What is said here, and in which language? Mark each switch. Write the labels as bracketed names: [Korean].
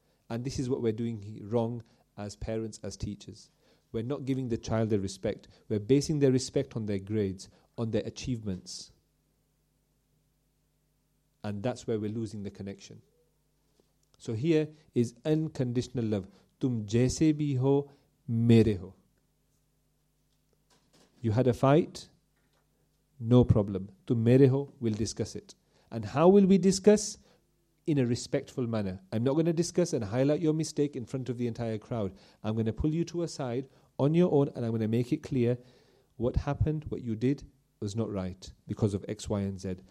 [English] And this is what we're doing wrong as parents, as teachers. We're not giving the child their respect. We're basing their respect on their grades, on their achievements. And that's where we're losing the connection. So here is unconditional love. [Urdu] تم جیسے بھی ہو، میرے ہو۔ [English] You had a fight? No problem. [Urdu] Tum mere ho, [English] we'll discuss it. And how will we discuss? In a respectful manner. I'm not going to discuss and highlight your mistake in front of the entire crowd. I'm going to pull you to a side on your own and I'm going to make it clear what happened, what you did was not right because of X, Y and Z.